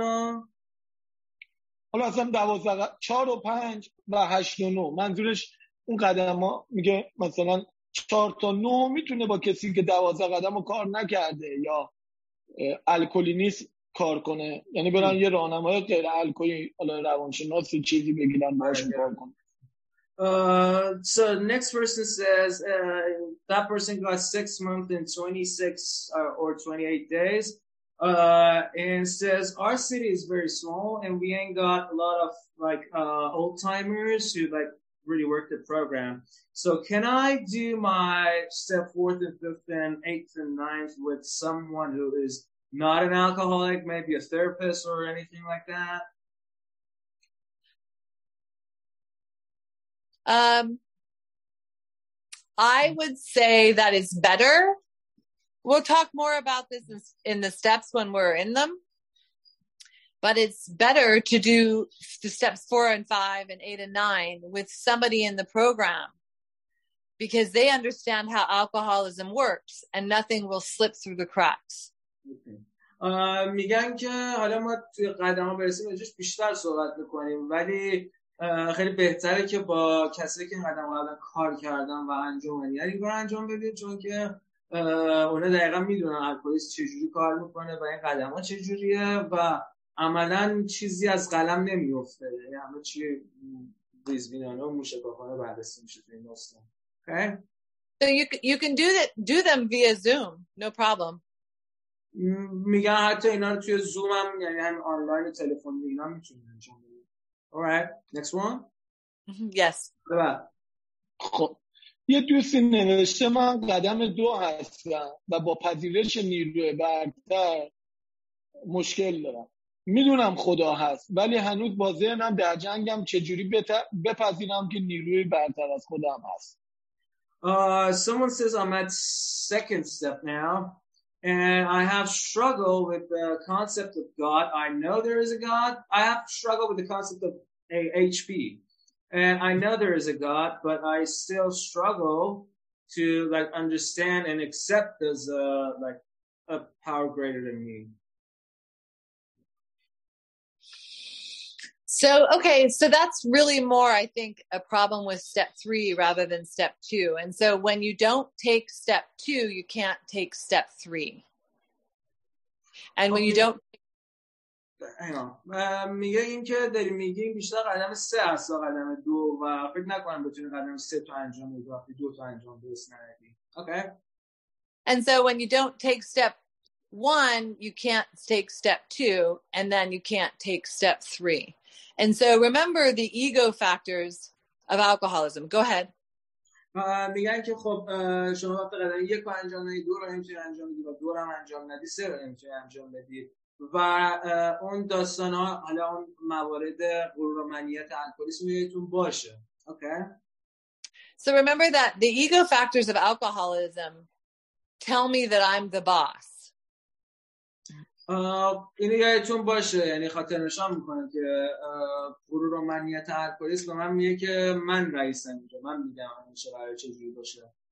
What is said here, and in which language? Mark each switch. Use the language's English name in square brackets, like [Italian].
[Persian] ها؟ حالا اصلا 4 و 5 و 8 و 9 منظورش اون قدم ها. میگه مثلا 4 تا 9 میتونه با کسی که 12 قدم رو کار نکرده یا الکلی نیست کار کنه، یعنی برن یه راهنمای غیر الکلی حالا روانشناس چیزی بگیرن باهاش کار کنه. [English] So next person says that person got 6 months and 26 or 28 days and says our city is very small and we ain't got a lot of like old timers who like really work the program. So can I do my step 4th and 5th and 8th and 9th with someone who is not an alcoholic, maybe a therapist or anything like that? I would say that is better. We'll talk more about this in the steps when we're in them. But it's better to do the steps 4 and 5 and 8 and 9 with somebody in the program because they understand how alcoholism works and nothing will slip through the cracks. [Persian] میگن که حالا ما توی قدم ها برسیم اجازه بیشتر صحبت میکنیم، ولی خیلی بهتره که با کسی که قدم ها الان کار کردن و انجام یعنی رو انجام بدید، چون که اونا دقیقا میدونن الکلیس چجوری کار میکنه و این قدم ها چجوریه و عملا چیزی از قلم نمیفته، یعنی همه چی ریزبینانه و مشکافانه بررسی میشه توی این نسخه. [English] Okay. So you can do them via Zoom, no problem. [Persian] میگن حتی اینا رو توی زوم هم یعنی هم آنلاین و تلفن اینا میتونن انجام بدن. [English] Alright, next one. Yes. [Persian] خب. یه دوستی نوشته من قدم 2 هستم و با پذیرش نیروی برتر مشکل دارم. میدونم خدا هست ولی هنوز با ذهنم در جنگم چجوری بپذیرم که نیروی برتر از خودم هست. [English] Someone says I'm at second step now and I have struggled with the concept of God. I know there is a God. I have struggled with the concept of HP and I know there is a God, but I still struggle to like understand and accept there's like a power greater than me. So, okay, so that's really more, I think, a problem with step 3 rather than step 2. And so when you don't take step 2, you can't take step 3. And when you don't... Hang on. [Persian] میگه این که داری میگی بیشتر قدم 3 هست و قدم 2 و فکر نکنم بتونی قدم 3 تو انجام بدی وقتی 2 تو انجام برس نهدی. [English] Okay. And so when you don't take step 1, you can't take step 2, and then you can't take step 3. And so remember the ego factors of alcoholism. Go ahead. [Persian] میگن که خب شما وقت قدم 1 رو انجام ندید، 2 رو نمیتونی انجام بدی و 2 رو هم انجام ندید، 3 رو نمیتونی انجام بدی و اون داستان ها حالا اون موارد غرور و منیت الکلیسم میتون باشه. [English] Okay. So remember that the ego factors of alcoholism tell me that I'm the boss. [Persian] اینو یادتون باشه، یعنی خاطر نشان میکنه که غرور و منیت الکلیس به من میگه که من رئیسم اینجا، من میگم همه چه برای چه جوری باشه.